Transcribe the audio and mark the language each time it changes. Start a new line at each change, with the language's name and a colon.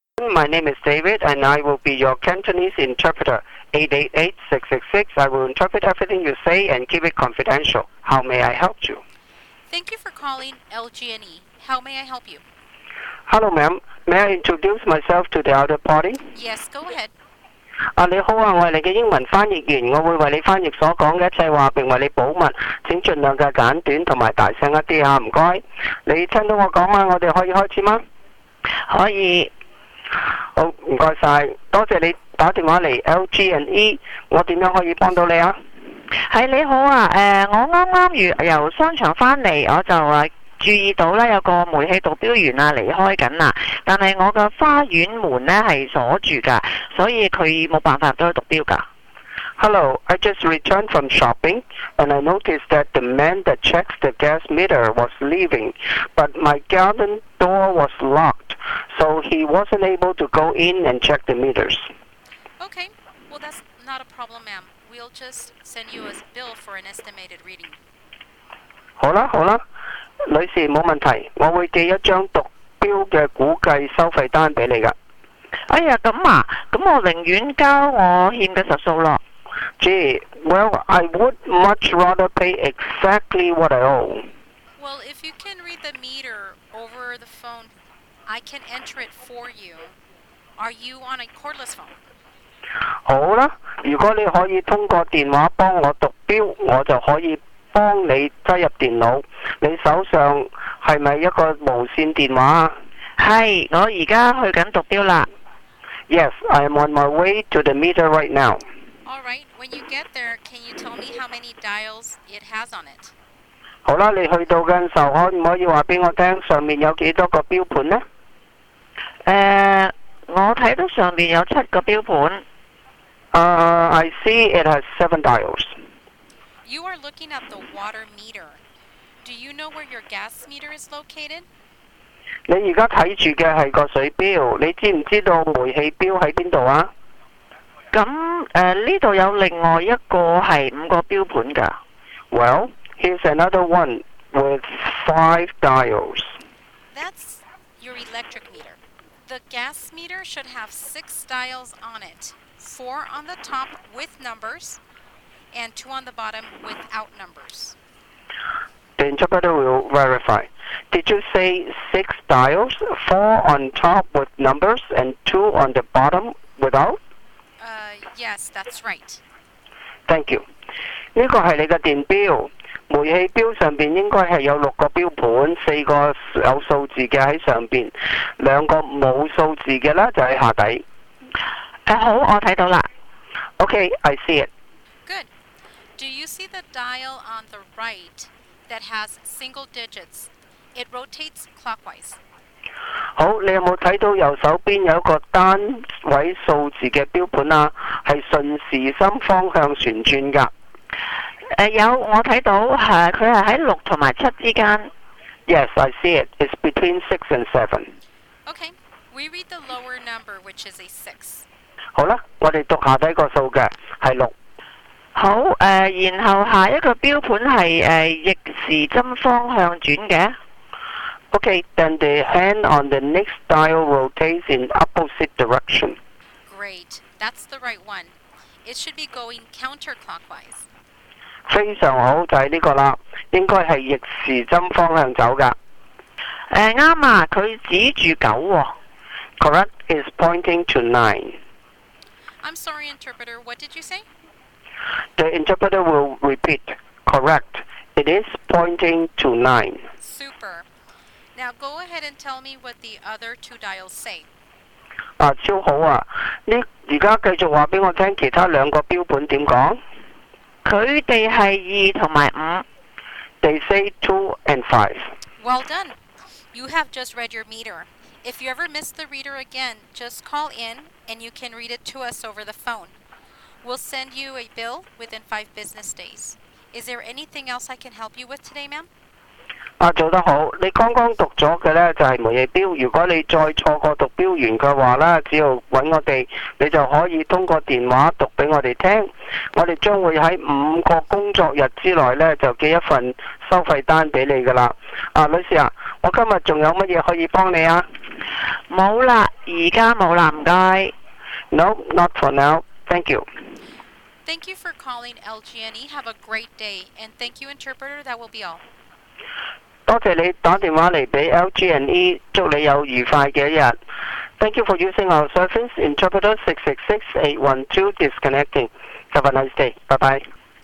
English: My name is David, and I will be your Cantonese interpreter. 888-666. I will interpret everything you say and keep it confidential. How may I help you? Thank you for calling LGNE. How may I help you? Hello, ma'am. May I introduce myself to the other party? Yes, go ahead.
Cantonese: 你好啊，我是你的英文翻译员，我会为你翻译所讲的一切话，并为你保密，请尽量的简短和大声一点，麻烦。你听到我讲吗？我们可以开始吗？可以。好，麻烦晒，多谢你打电话来 LG&E， 我怎样可以帮到你啊？是，你好啊，我刚刚由商场回来，我就注意到咧有个煤气导标员啊离开紧啦，但系我嘅花园门咧系锁住噶，所以佢冇办法都去导标噶。
English: Hello, I just returned from shopping, and I noticed that the man that checks the gas meter was leaving, but my garden door was locked, so he wasn't able to go in and check the meters. Okay, well that's not a problem, ma'am. We'll just send you a bill for an estimated reading.
Cantonese: 好啦，好啦。女士，没问题，我会寄一张读标的估计收费单给你的。哎呀，咁啊，咁我宁愿交我欠的实数咯。
English: Gee, well, I would much rather pay exactly what I owe. Well, if you can read the meter over the phone, I can enter it for you. Are you on a cordless phone?
Cantonese: 好啦，如果你可以通过电话帮我读标，我就可以帮你挤入电脑。你手上是不是一个无线电话？是，我现在去紧读标啦。
English: Yes, I'm on my way to the meter right now. All right, when you get there, can you tell me how many dials it has on it?
Cantonese: 好啦，你去到的时候可唔可以话俾我听上面有几多个标盘呢？我睇到上面有七个标盘。
English: I see it has seven dials. You are looking at the water meter. Do you know where your gas meter is located?
Cantonese: 你现在看着的是个水表，你知不知道煤气表在哪里啊？这里有另外一个是五个标盘的。
English: Well, here's another one with five dials. That's your electric meter. The gas meter should have six dials on it. Four on the top with numbers. And two on the bottom without numbers. The interpreter will verify. Did you say six dials, four on top with numbers, and two on the bottom without? Yes, that's right. Thank you.
Cantonese: 这个是你的电表，煤气表上面应该是有六个标盘，四个有数字的在上面，两个没数字的就在下底。好，我看到了。
English: Okay, I see it. Do you see the dial on the right that has single digits? It rotates clockwise.
Cantonese: 好，你有冇睇到右手边有一个单位数字嘅标盘啊？系顺时针方向旋转噶。有，我睇到，佢系喺六同埋七之间。
English: Yes, I see it. It's between six and seven. Okay, we read the lower number, which is a six.
Cantonese: 好啦，我哋读下底个数嘅系六。好，然后下一个标盘是逆时针方向转的。
English: Okay, then the hand on the next dial rotates in opposite direction. Great, that's the right one. It should be going counterclockwise.
Cantonese: 非常好，就是这个了，应该是逆时针方向走的。啱啊，它指住九哦。
English: Correct, it's pointing to nine. I'm sorry, interpreter, what did you say? The interpreter will repeat. Correct. It is pointing to 9. Super. Now go ahead and tell me what the other two dials say.
Cantonese: 超好啊！你而家继续话俾我听，其他两个标本点讲？佢哋系二同埋五。
English: They say 2 and 5. Well done. You have just read your meter. If you ever miss the reader again, just call in, and you can read it to us over the phone. We'll send you a bill within 5 business days. Is there anything else I can help you with today, ma'am?
Cantonese: 做得好，你刚刚读咗嘅咧就系煤气表。如果你再错过读表员嘅话咧，只要揾我哋，你就可以通过电话读俾我哋听。我哋将会喺五个工作日之内咧就寄一份收费单俾你噶啦。女士啊，我今日仲有乜嘢可以帮你啊？冇啦，而家冇啦，唔该。
English: No, not for now. Thank you. Thank you for calling LGNE. Have a great day. And thank you, interpreter. That will be all.
Cantonese: 多谢你打电话嚟俾 LGNE， 祝你有愉快嘅一日。
English: Thank you for using our service. Interpreter 666-812 disconnecting. Have a nice day. Bye bye.